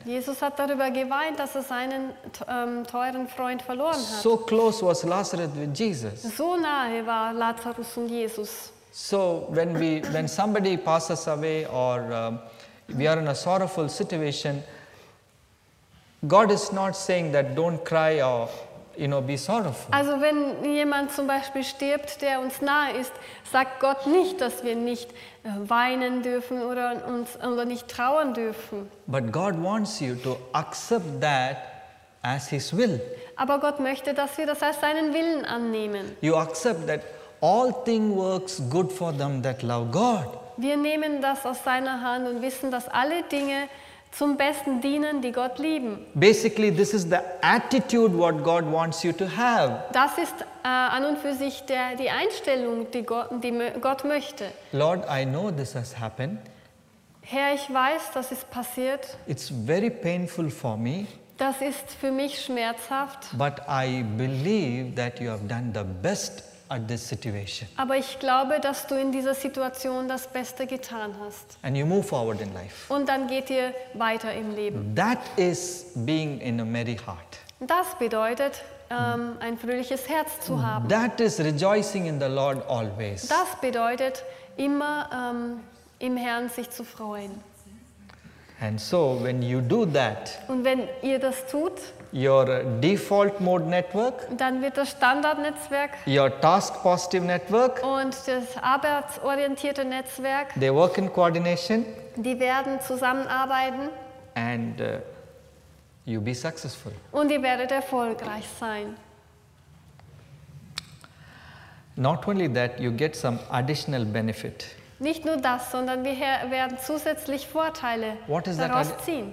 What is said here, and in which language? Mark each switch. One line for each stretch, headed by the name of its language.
German: Jesus hat darüber geweint, dass er seinen teuren Freund verloren hat.
English: So close was Lazarus with Jesus.
German: So nahe war Lazarus und Jesus.
English: So when somebody passes away or we are in a sorrowful situation, God is not saying that don't cry or you know, be sorrowful.
German: Also wenn jemand zum Beispiel stirbt, der uns nahe ist, sagt Gott nicht, dass wir nicht weinen dürfen oder uns oder nicht trauern dürfen.
English: But God wants you to accept that as His will.
German: Aber Gott möchte, dass wir das als seinen Willen annehmen.
English: You accept that all things works good for them that love God.
German: Wir nehmen das aus seiner Hand und wissen, dass alle Dinge zum Besten dienen, die Gott lieben.
English: Basically, this is the attitude what God wants you to have.
German: Das ist an und für sich die Einstellung, die Gott möchte.
English: Lord, I know this has happened.
German: Herr, ich weiß, das ist passiert.
English: It's very painful for me.
German: Das ist für mich schmerzhaft.
English: But I believe that you have done the best at this situation.
German: Aber ich glaube, dass du in dieser Situation das Beste getan hast.
English: And you move forward in life.
German: Und dann geht ihr weiter im Leben.
English: That is being in a merry heart.
German: Das bedeutet, ein fröhliches Herz zu haben.
English: That is rejoicing in the Lord always.
German: Das bedeutet, immer im Herrn sich zu freuen.
English: And so, when you do that,
German: und wenn ihr das tut,
English: your default mode network,
German: dann wird das Standardnetzwerk,
English: your task positive network,
German: und das arbeitsorientierte Netzwerk,
English: they work in coordination,
German: die werden zusammenarbeiten,
English: and you be successful,
German: und ihr werdet erfolgreich sein.
English: Not only that, you get some additional benefit.
German: Nicht nur das, sondern wir werden zusätzlich Vorteile daraus ziehen.